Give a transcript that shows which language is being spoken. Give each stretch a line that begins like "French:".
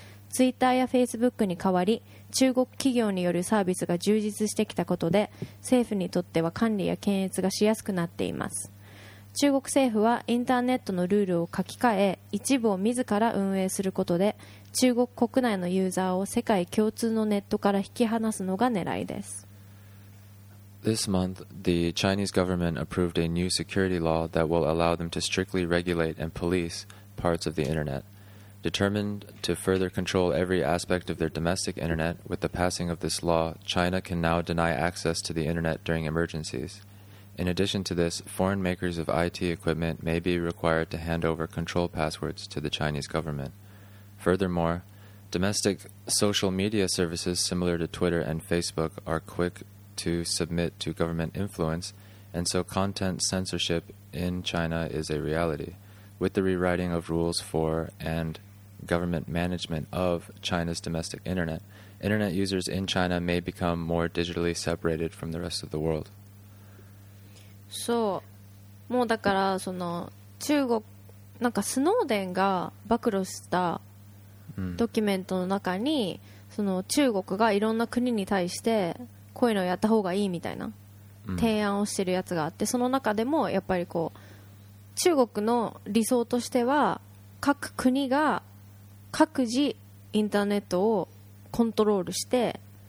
Japanese: ツイッターやフェイスブックに代わり、中国企業によるサービスが充実してきたことで、政府にとっては管理や検閲がしやすくなっています。中国政府はインターネットのルールを書き換え、一部を自ら運営することで中国国内のユーザーを世界共通のネットから引き離すのが狙いです。
English: This month, the Chinese government approved a new security law that will allow them to strictly regulate and police parts of the internet. Determined to further control every aspect of their domestic internet, with the passing of this law, China can now deny access to the internet during emergencies. In addition to this, foreign makers of IT equipment may be required to hand over control passwords to the Chinese government. Furthermore, domestic social media services similar to Twitter and Facebook are quick to submit to government influence, and so content censorship in China is a reality. With the rewriting of rules for and government management of China's domestic internet, internet users in China may become more digitally separated from the rest of the world.
Japanese: そう、もうだからその中国、なんかスノーデンが暴露したドキュメントの中に、その中国がいろんな国に対してこういうのをやった方がいいみたいな提案をしてるやつがあって、その中でもやっぱりこう中国の理想としては、各国が各自インターネットをコントロールして、